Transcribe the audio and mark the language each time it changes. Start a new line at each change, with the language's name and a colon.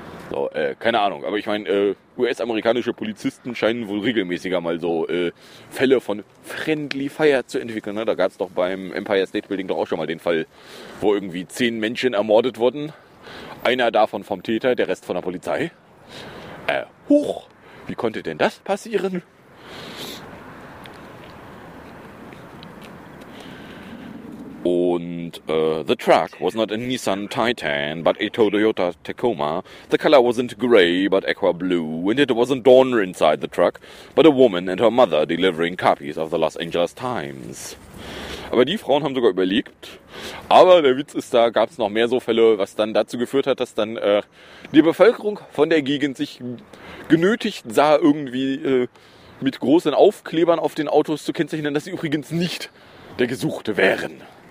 German: So, keine Ahnung, aber ich meine, US-amerikanische Polizisten scheinen wohl regelmäßiger mal so Fälle von Friendly Fire zu entwickeln. Ne? Da gab es doch beim Empire State Building doch auch schon mal den Fall, wo irgendwie 10 Menschen ermordet wurden. Einer davon vom Täter, der Rest von der Polizei. Huch, wie konnte denn das passieren? Und
English: the truck was not a Nissan Titan, but a Toyota Tacoma. The color wasn't gray, but aqua blue. And it wasn't Donner inside the truck, but a woman and her mother delivering copies of the Los Angeles Times.
German: Aber die Frauen haben sogar überlebt. Aber der Witz ist, da gab es noch mehr so Fälle, was dann dazu geführt hat, dass dann die Bevölkerung von der Gegend sich genötigt sah, irgendwie mit großen Aufklebern auf den Autos zu kennzeichnen, dass sie übrigens nicht der Gesuchte wären.